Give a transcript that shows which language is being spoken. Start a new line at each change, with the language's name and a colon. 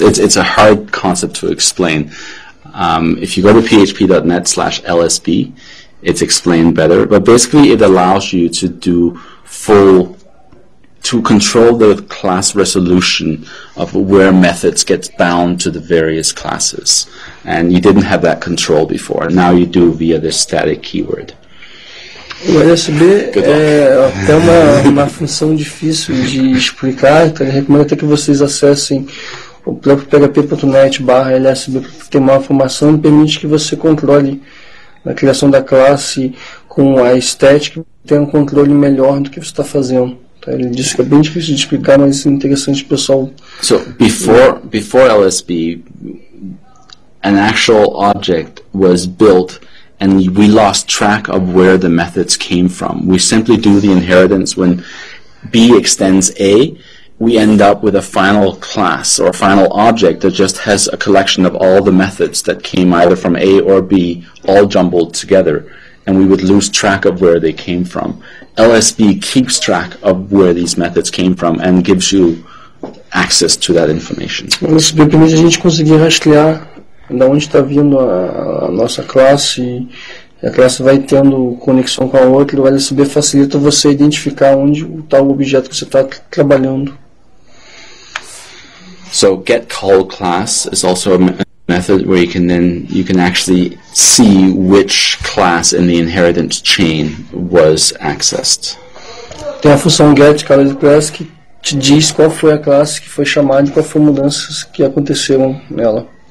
English: It's a hard concept to explain. If you go to php.net/lsb, it's explained better. But basically, it allows you to do full, to control the class resolution of where methods get bound to the various classes. And you didn't have that control before. Now you do via this static keyword.
Portuguese: O LSB é até uma função difícil de explicar, então eu recomendo até que vocês acessem o próprio php.net/lsb, porque tem uma formação e permite que você controle a criação da classe com a estética, tenha um controle melhor do que você está fazendo. Então, ele disse que é bem difícil de explicar, mas é interessante, pessoal.
English: So, before LSB, an actual object was built and we lost track of where the methods came from. We simply do the inheritance when B extends A, we end up with a final class or a final object that just has a collection of all the methods that came either from A or B, all jumbled together, and we would lose track of where they came from. LSB keeps track of where these methods came from and gives you access to that information.
Portuguese: LSB permits a gente conseguir rastrear da onde está vindo a nossa classe, a classe vai tendo conexão com a outra, o LSB facilita você identificar onde está o objeto que você está trabalhando.
English: So getCallClass is also a method where you can actually see which class in the inheritance chain was accessed.
Portuguese: Tem a função getCallClass que te diz qual foi a classe que foi chamada e qual foram mudanças que aconteceram nela.